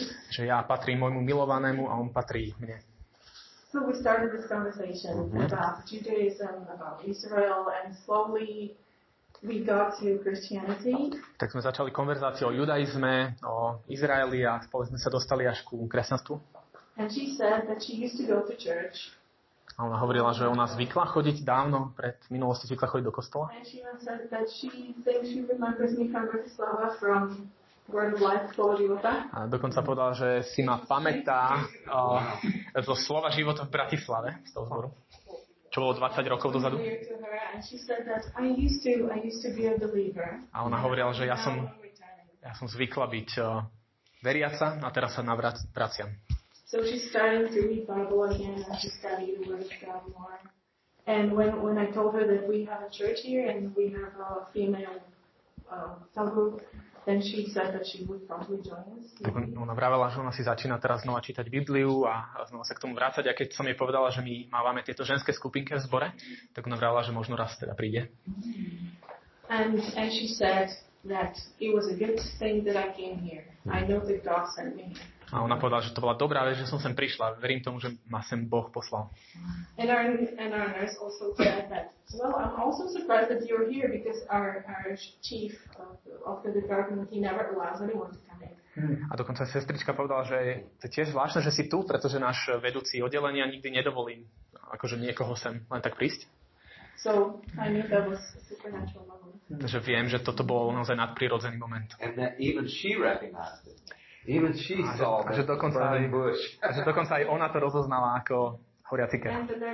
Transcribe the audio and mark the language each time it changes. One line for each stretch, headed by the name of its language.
Slovak: Že ja patrím môjmu milovanému a on patrí mne.
English: So we started this conversation about Judaism, about Israel, and slowly we got to Christianity.
Slovak: Tak sme začali konverzáciu o judaizme, o Izraeli a spolu sme sa dostali až ku kresťanstvu.
English: And she said that she used to go to church.
Slovak: A ona hovorila, že ona zvykla chodiť dávno, pred minulosti zvykla chodiť do kostola.
English: And she said that she thinks she remembers me from Bratislava from Word of Life, Slovo života.
Slovak: A dokonca povedala, že si ma pamätá zo Slova života v Bratislave, z toho zboru. Čo bolo 20 rokov dozadu. A ona hovorila, že ja som zvykla byť veriaca a teraz sa navraciam.
English: So she's starting to read Bible again and she studied the Word of God more. And when I told her that we have a church here and we have a female cell group, then she said that she would probably join us.
Slovak: Tak ona vravela, že ona si začína teraz znova čítať Bibliu a znova sa k tomu vrácať. A keď som jej povedala, že my mávame tieto ženské skupinky v zbore, tak ona vravela, že možno raz teda príde.
English: And she said that it was a good thing that I came here. I know that God sent me.
Slovak: A ona povedala, že to bola dobrá vec, že som sem prišla. Verím tomu, že ma sem Boh poslal.
English: And our nurse also said that, well, I'm also surprised that you're here because our chief of the department, he never allows anyone to come in.
Slovak: A dokonca sestrička povedala, že to je tiež zvláštne, že si tu, pretože náš vedúci oddelenia nikdy nedovolí akože niekoho sem len tak prísť.
English: So, I knew that was a supernatural moment.
Slovak: Takže viem, že toto bol naozaj nadprirodzený moment.
English: And that even she recognized it. Even she saw
Slovak: že dokonca aj, bush. A že dokonca aj ona to rozoznala ako horiaci kera.